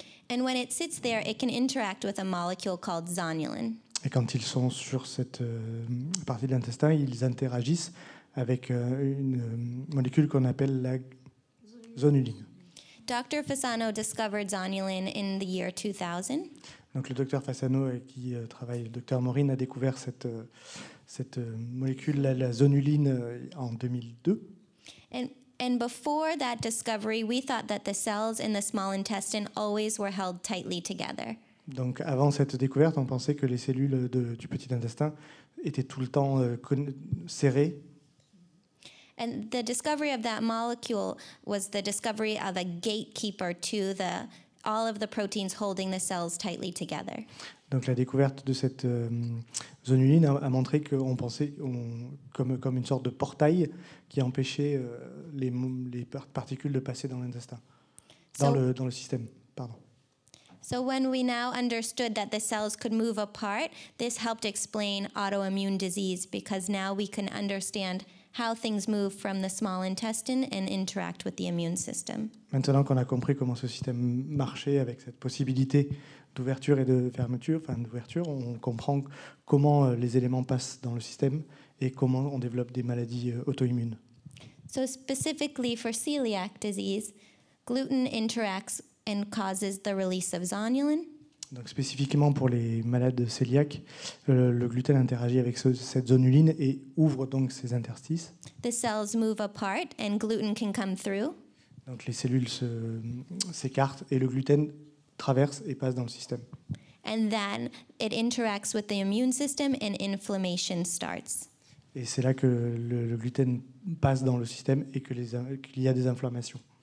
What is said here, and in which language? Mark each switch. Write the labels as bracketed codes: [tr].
[en] And when it sits there, it can interact with a molecule called zonulin. [fr] Et quand ils sont sur cette partie de l'intestin, ils interagissent avec une molécule qu'on appelle la zonuline. [en] Dr. Fasano discovered zonulin in the year 2000. [fr] Donc le docteur Fasano, avec qui travaille le docteur Morin, a découvert cette molécule, la zonuline, en 2002. [en] And before that discovery, we thought that the cells in the small intestine always were held tightly together. [fr] Donc avant cette découverte, on pensait que les cellules du petit intestin étaient tout le temps serrées. [en] And the discovery of that molecule was the discovery of a gatekeeper to the all of the proteins holding the cells tightly together. [fr] Donc la découverte de cette zonuline a montré qu'on pensait comme une sorte de portail qui empêchait les particules de passer dans l'intestin, dans le système, pardon. [en] So when we now understood that the cells could move apart, this helped explain autoimmune disease because now we can understand how things move from the small intestine and interact with the immune system. [fr] Maintenant qu'on a compris comment ce système marchait avec cette possibilité d'ouverture et de fermeture, on comprend comment les éléments passent dans le système et comment on développe des maladies auto-immunes. [en] So specifically for celiac disease, gluten interacts and causes the release of zonulin. [fr] Donc spécifiquement pour les malades cœliaques, le gluten interagit avec cette zonuline et ouvre donc ses interstices. [en] The cells move apart and gluten can come through. [fr] Donc les cellules s'écartent et le gluten traverse et passe dans le système. [en] And then it interacts with the immune system and inflammation starts. [fr] Et c'est là que le gluten passe dans le système et qu'il y a des inflammations.